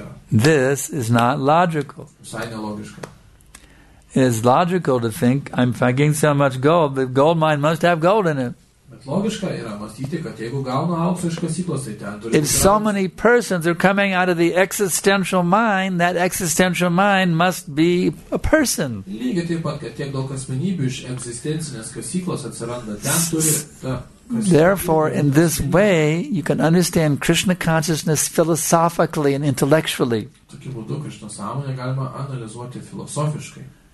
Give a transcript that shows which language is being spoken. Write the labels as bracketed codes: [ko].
[en] This is not logical. It is logical to think I'm getting so much gold, the gold mine must have gold in it. [lt] Logiška yra mąstyti, kad jeigu gauna aukso iš kasyklos, tai ten turi. [en] If so many persons are coming out of the existential mind, that existential mind must be a person. [lt] Lygiai taip pat, kad tiek daug asmenybių iš egzistencinės kasyklos atsiranda, ten turi ta. [en] Therefore, in this way, you can understand Krishna consciousness philosophically and intellectually. [lt] Tokiu būdu Krishna sąmonę galima analizuoti filosofiškai.